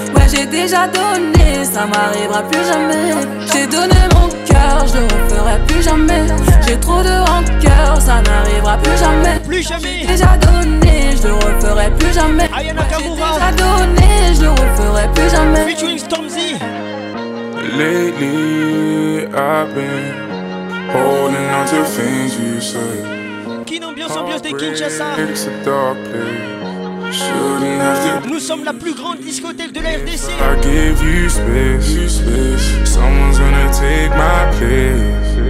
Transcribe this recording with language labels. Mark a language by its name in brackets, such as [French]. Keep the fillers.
[French] Ouais, j'ai déjà donné, ça m'arrivera plus jamais. J'ai donné mon cœur, je le referai plus jamais. J'ai trop de rancœur, ça n'arrivera plus jamais. Plus jamais. J'ai déjà donné, je le referai plus jamais. Ouais, j'ai déjà donné, je le referai plus jamais. [English] Lately, I've been holding on to things you said. Heartbreak, de Kinshasa. It's a dark place. Have to [French] Nous sommes la plus grande discothèque de la RDC. [English] If I give you space, you space. Someone's gonna take my place.